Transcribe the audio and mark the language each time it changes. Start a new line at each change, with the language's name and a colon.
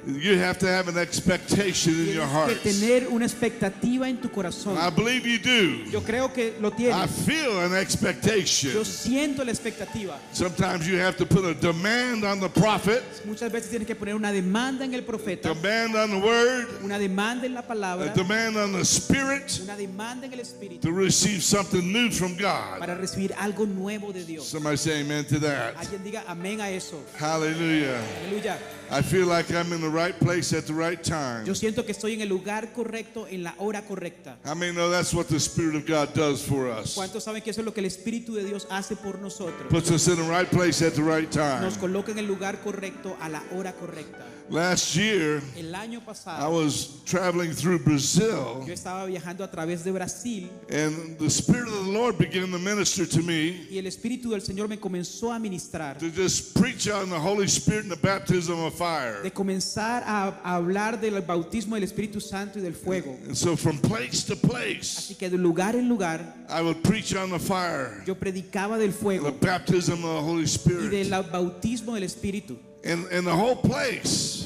English: You have to have an expectation in your heart.
Spanish: Tienes que tener una expectativa en tu corazón.
English: I believe you do.
Spanish: Yo creo que lo tienes.
English: I feel an expectation.
Spanish: Yo siento la expectativa.
English: Sometimes you have to put a demand on the prophet.
Spanish: Muchas veces tienes que poner una demanda en el profeta.
English: Demand on the word.
Spanish: Una demanda en la palabra.
English: A demand on the spirit.
Spanish: Una demanda en el espíritu.
English: To receive something new from God.
Spanish: Para recibir algo nuevo de Dios.
English: Somebody say amen to that.
Spanish: Alguien diga amén.
English: Hallelujah. I feel like I'm in the right place at the right time.
Spanish: Yo siento que estoy en el lugar correcto en la hora correcta.
English: How many know that's what the Spirit of God does for us?
Spanish: ¿Cuántos saben que eso es lo que el Espíritu de Dios hace por nosotros?
English: Puts us in the right place at the right time.
Spanish: Nos coloca en el lugar correcto a la hora correcta.
English: Last year,
Spanish: el año pasado,
English: I was traveling through Brazil.
Spanish: Yo estaba viajando a través de Brasil.
English: And the Spirit of the Lord began to minister to me.
Spanish: Y el Espíritu del Señor me comenzó a ministrar.
English: To just preach on the Holy Spirit and the baptism of fire.
Spanish: De comenzar a hablar del bautismo del Espíritu Santo y del fuego.
English: And so from place to place,
Spanish: así que de lugar en lugar,
English: I would preach on the fire.
Spanish: Yo predicaba del fuego.
English: The baptism of the Holy Spirit.
Spanish: Y del bautismo del Espíritu.
English: And the whole place